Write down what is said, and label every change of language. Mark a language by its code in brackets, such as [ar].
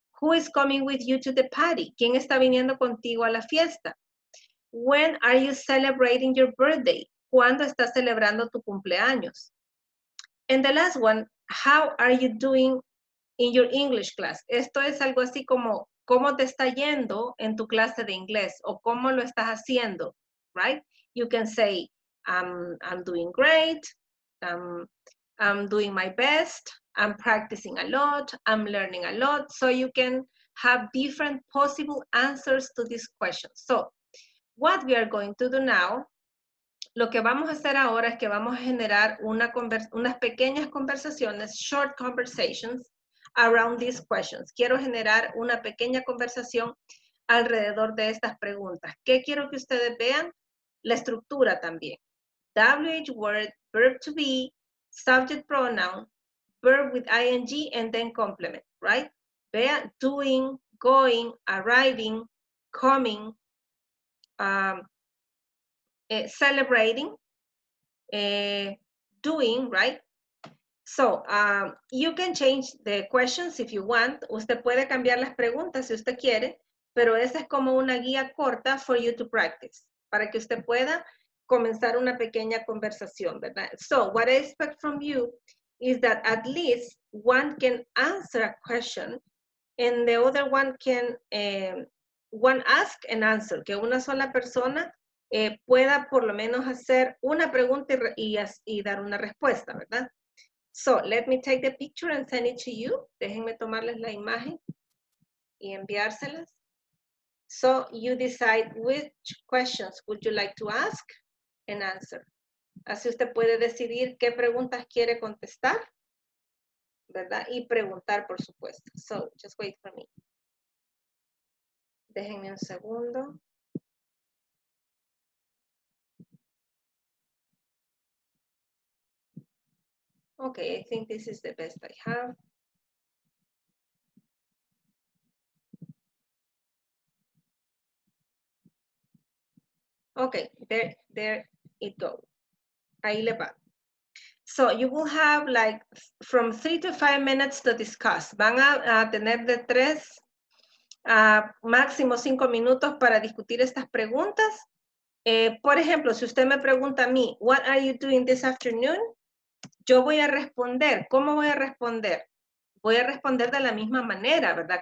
[en] Who is coming with you to the party? [es] ¿Quién está viniendo contigo a la fiesta? [en] When are you celebrating your birthday? [es] ¿Cuándo estás celebrando tu cumpleaños? [en] And the last one, how are you doing in your English class? [es] Esto es algo así como, ¿cómo te está yendo en tu clase de inglés? ¿O cómo lo estás haciendo? Right? [en] You can say, I'm doing great, I'm doing my best, I'm practicing a lot, I'm learning a lot. So you can have different possible answers to this question. So what we are going to do now, [es] lo que vamos a hacer ahora es que vamos a generar unas pequeñas conversaciones, short conversations around these questions. Quiero generar una pequeña conversación alrededor de estas preguntas. ¿Qué quiero que ustedes vean? La estructura también. [en] WH word, verb to be, subject pronoun, verb with ing, and then complement, right? Vean, doing, going, arriving, coming, celebrating, doing, right? So, you can change the questions if you want. [es] Usted puede cambiar las preguntas si usted quiere, pero esa es como una guía corta [en] for you to practice. [es] Para que usted pueda comenzar una pequeña conversación, ¿verdad? [en] So, what I expect from you is that at least one can answer a question and the other one can, one ask and answer. [es] Que una sola persona pueda por lo menos hacer una pregunta y dar una respuesta, ¿verdad? [en] So, let me take the picture and send it to you. [es] Déjenme tomarles la imagen y enviárselas. [en] So you decide which questions would you like to ask and answer. [es] Así usted puede decidir qué preguntas quiere contestar, ¿verdad? Y preguntar, por supuesto. [en] So just wait for me. [es] Déjenme un segundo. [en] Okay, I think this is the best I have. Okay, there it goes. [es] Ahí le va. [en] So you will have like from 3 to 5 minutes to discuss. [es] Van a tener de 3 a máximo 5 minutos para discutir estas preguntas. Por ejemplo, si usted me pregunta a mí, [en] what are you doing this afternoon? [es] Yo voy a responder. ¿Cómo voy a responder? Voy a responder de la misma manera, ¿verdad?